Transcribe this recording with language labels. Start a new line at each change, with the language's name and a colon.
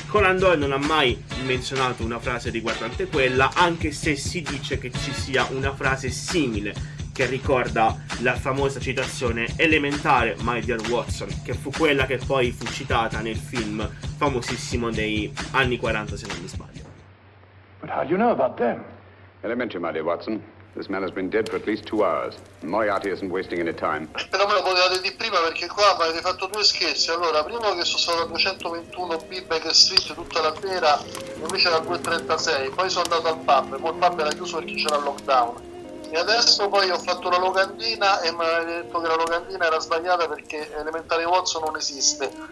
Italian: Conan Doyle non ha mai menzionato una frase riguardante quella, anche se si dice che ci sia una frase simile che ricorda la famosa citazione elementare
English: My Dear Watson,
Italian: che fu quella che poi fu citata nel film famosissimo dei anni 40, se non mi sbaglio.
English: But how do you know about them? Elementary, my dear Watson. This man has been dead for at least 2 hours. Moriarty isn't wasting any time.
Italian: Però me lo potevate di prima, perché qua mi avete fatto due scherzi. Allora, primo che sono stato a 221 B Baker Street tutta la sera, invece era 236. Poi sono andato al pub, poi il pub era chiuso perché c'era il lockdown. E adesso poi ho fatto la locandina e mi avete detto che la locandina era sbagliata perché
English: Elementary Watson
Italian: non esiste.